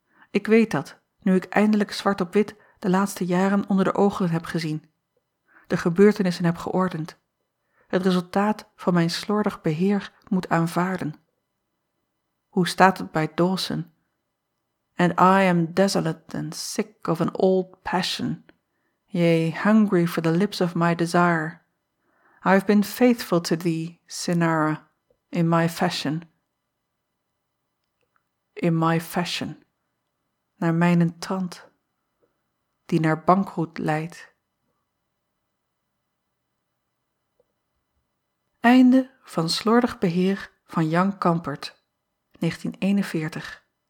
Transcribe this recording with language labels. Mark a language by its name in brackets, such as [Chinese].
[Dutch] Ik weet dat, nu ik eindelijk zwart op wit de laatste jaren onder de ogen heb gezien, de gebeurtenissen heb geordend, het resultaat van mijn slordig beheer moet aanvaarden. Hoe staat het bij Dawson? [English] And I am desolate and sick of an old passion, yea, hungry for the lips of my desire. I have been faithful to thee, Cynara, in my fashion. In my fashion, [Dutch] naar mijn trant, die naar bankroet leidt. Einde van Slordig beheer van Jan Kampert, 1941.